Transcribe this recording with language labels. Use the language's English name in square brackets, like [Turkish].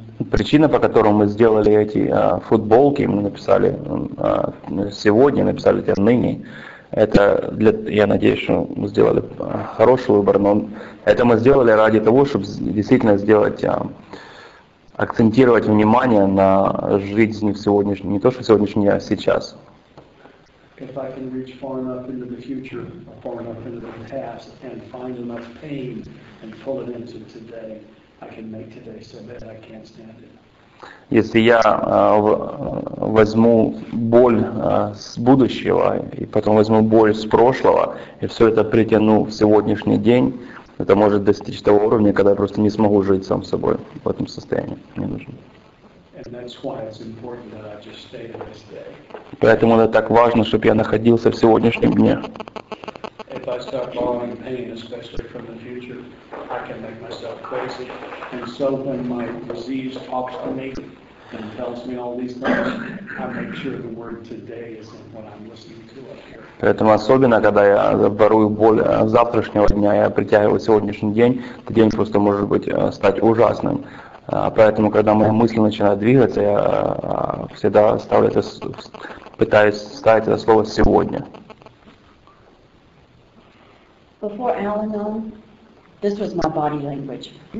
[Russian] Причина, по которой мы сделали эти футболки, мы написали сегодня, написали это ныне, это для, я надеюсь, что мы сделали хороший выбор, но это мы сделали ради того, чтобы действительно сделать, акцентировать внимание на жизни в сегодняшнем, не то, что в сегодняшнем дне, а сейчас. [English] If I can reach far enough into the future, far enough into the past, and find enough pain and pull it into today, I can make today so bad I can't stand it. [Russian] Если я возьму боль с будущего и потом возьму боль с прошлого и все это притяну в сегодняшний день, это может достичь того уровня, когда я просто не смогу жить сам собой в этом состоянии. Мне нужно. [English] And that's why it's important that I just stay in this day. [Russian] Поэтому это так важно, чтобы я находился в сегодняшнем дне. [English] If I start borrowing pain, especially from the future, I can make myself crazy. And so when my disease talks to me and tells me all these things, I make sure the word today is in what I'm listening to up here. [Russian] Поэтому особенно, когда я ворую боль завтрашнего дня, я притягиваю сегодняшний день, этот день просто может быть стать ужасным. Поэтому, когда моя мысль начинает двигаться, я всегда ставлю это, пытаюсь ставить это слово сегодня. [English] Before Al-Anon, this was my body language.